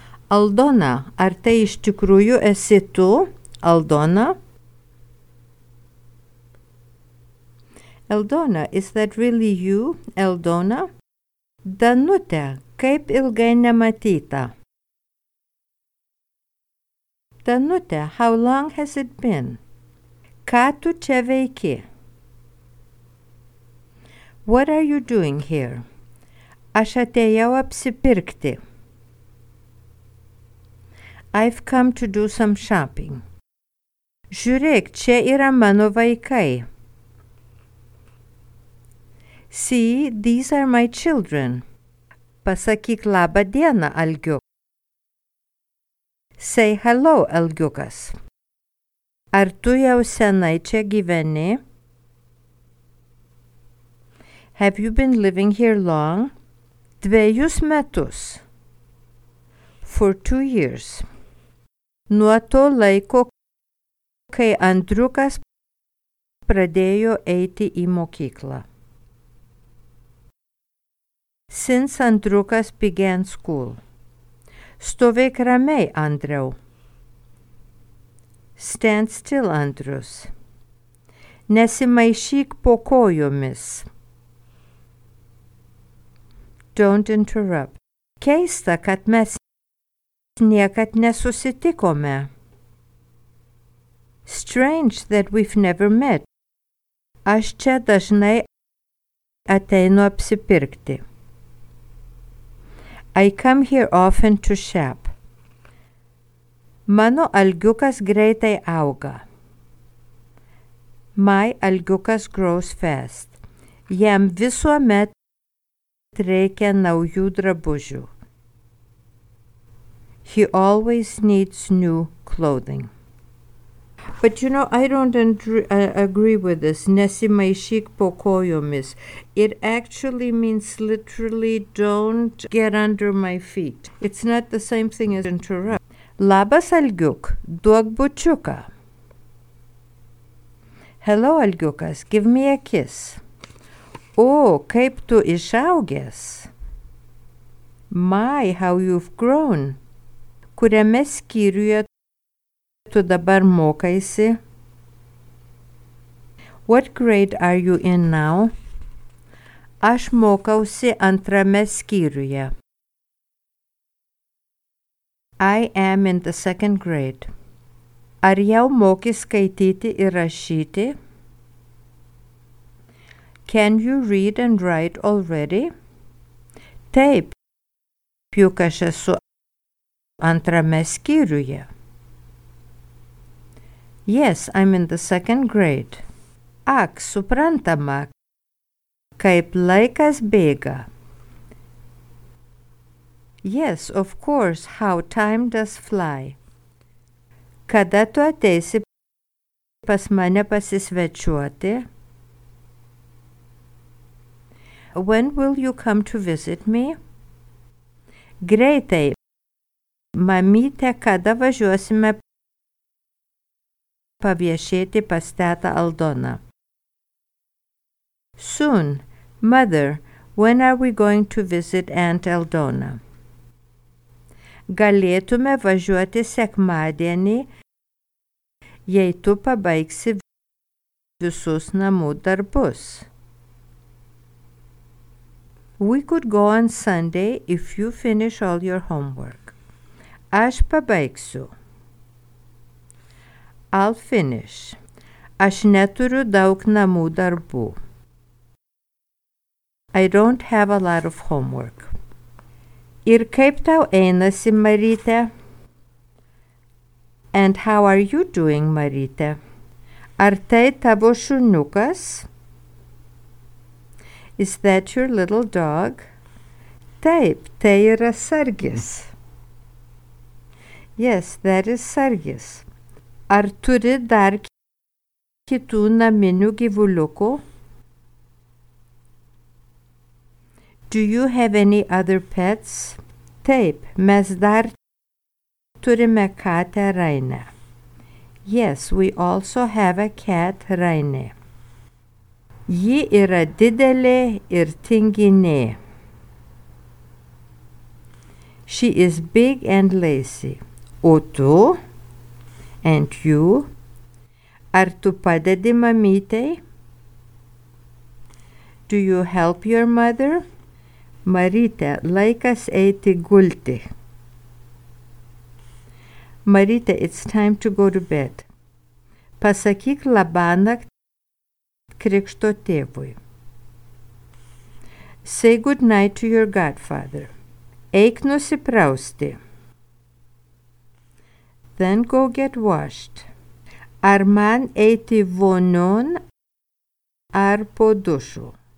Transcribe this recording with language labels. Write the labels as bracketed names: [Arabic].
[Lithuanian] Aldona, ar tai iš tikrųjų esi tu, Aldona? [English] Aldona, is that really you, Aldona? [Lithuanian] Danute, kaip ilgai nematyta. [English] Danute, how long has it been? [Lithuanian] Ką tu čia veiki? [English] What are you doing here? [Lithuanian] Aš atėjau apsipirkti. [English] I've come to do some shopping. [Lithuanian] Žiūrėk, čia yra mano vaikai. [English] See, these are my children. [Lithuanian] Pasakyk labą dieną, Algiuk. [English] Say hello, Algiukas. [Lithuanian] Ar tu jau senai čia gyveni? [English] Have you been living here long? [Lithuanian] 2 metus. [English] For 2 years. [Lithuanian] Nuo to laiko, kai Andriukas pradėjo eiti į mokyklą. [English] Since Andriukas began school. [Lithuanian] Stovėk ramiai, Andriau. [English] Stand still, Andrius. [Lithuanian] Nesimaišyk po kojomis. [English] Don't interrupt. [Lithuanian] Keista, kad mes niekad nesusitikome. [English] Strange that we've never met. [Lithuanian] Aš čia dažnai ateinu apsipirkti. [English] I come here often to shop. [Lithuanian] Mano algiukas greitai auga. [English] My algiukas grows fast. [Lithuanian] Jam visuomet reikia naujų drabužių. [English] He always needs new clothing. But you know, I don't agree with this. [Lithuanian] Nesimaišyk po kojomis. [English] It actually means literally don't get under my feet. It's not the same thing as interrupt. [Lithuanian] Labas, Algiuk. Duok bučiuką. [English] Hello, Algiukas. Give me a kiss. Oh, [Lithuanian] kaip tu išaugęs. [English] My, how you've grown. [Lithuanian] Kuriame skyriuje tu dabar mokaisi? [English] What grade are you in now? [Lithuanian] Aš mokausi 2 skyriuje. [English] I am in the 2nd grade. [Lithuanian] Ar jau moki skaityti ir rašyti? [English] Can you read and write already? [Lithuanian] Taip, juk aš esu 2 skyriuje. [English] Yes, I'm in the 2nd grade. [Lithuanian] Ak, suprantama, kaip laikas bėga. [English] Yes, of course, how time does fly. [Lithuanian] Kada tu ateisi pas mane pasisvečiuoti? [English] When will you come to visit me? [Lithuanian] Greitai. Mamyte, kada važiuosime paviešėti pas tėtą Aldoną? [English] Soon. Mother, when are we going to visit Aunt Aldona? [Lithuanian] Galėtume važiuoti sekmadienį, jei tu pabaigsi visus namų darbus. [English] We could go on Sunday if you finish all your homework. [Lithuanian] Aš pabaigsiu. [English] I'll finish. [Lithuanian] Aš neturiu daug namų darbų. [English] I don't have a lot of homework. [Lithuanian] Ir kaip tau einasi, Marytė? [English] And how are you doing, Marytė? [Lithuanian] Ar tai tavo šuniukas? [English] Is that your little dog? [Lithuanian] Taip, tai yra Sargis. [English] Yes, that is Sargis. [Lithuanian] Ar turi dar kitų naminių gyvuliukų? [English] Do you have any other pets? [Lithuanian] Taip, mes dar turime katę Rainę. [English] Yes, we also have a cat, Rainė. [Lithuanian] Ji yra didelė ir tinginė. [English] She is big and lazy. [Lithuanian] O tu? [English] And you? [Lithuanian] Ar tu padedi mamytei? [English] Do you help your mother? [Lithuanian] Marytė, laikas eiti gulti. [English] Marytė, it's time to go to bed. [Lithuanian] Pasakyk labanakt krikšto tėvui. [English] Say good night to your godfather. [Lithuanian] Eik nusiprausti. [English] Then go get washed. [Lithuanian] Ar man eiti vonion ar po dušu?